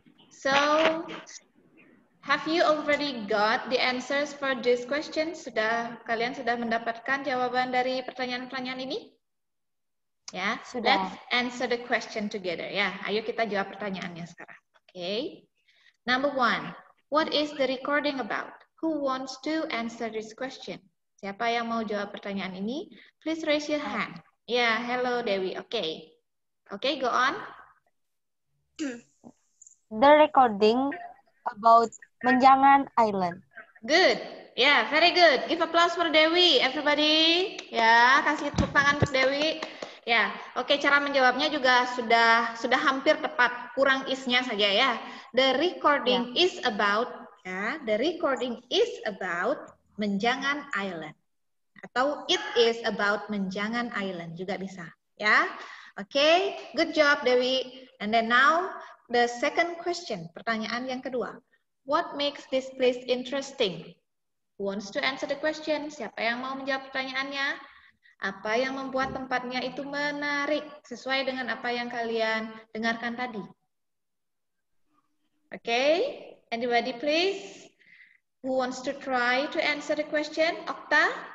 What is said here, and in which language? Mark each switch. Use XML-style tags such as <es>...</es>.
<en>So, have you already got the answers for this question?</en> <id>Sudah kalian sudah mendapatkan jawaban dari pertanyaan-pertanyaan ini?</id> <en>Yeah.</en> <id>Sudah.</id> <en>Let's answer the question together. Yeah.</en> <id>Ayo kita jawab pertanyaannya sekarang.</id> <en>Okay. Number one. What is the recording about? Who wants to answer this question? Siapa yang mau jawab pertanyaan ini? Please raise your hand. Yeah, hello Dewi. Okay. Okay, go on. The recording about Menjangan Island. Good. Yeah, very good. Give applause for Dewi, everybody.</en> <id>Yeah, kasih tepuk tangan untuk Dewi. Ya, oke, cara menjawabnya juga sudah hampir tepat, kurang is-nya saja ya.</id> <en>The recording is about, ya, the recording is about Menjangan Island.</en> <id>Atau</id> <en>it is about</en> <id>Menjangan Island juga bisa, ya.</id> <en>Oke, good job Dewi. And then now the second question,</en> <id>pertanyaan yang kedua.</id> <en>What makes this place interesting? Who wants to answer the question?</en> <id>Siapa yang mau menjawab pertanyaannya? Apa yang membuat tempatnya itu menarik sesuai dengan apa yang kalian dengarkan tadi?</id> <en>Okay, anybody please? Who wants to try to answer the question? Okta,</en>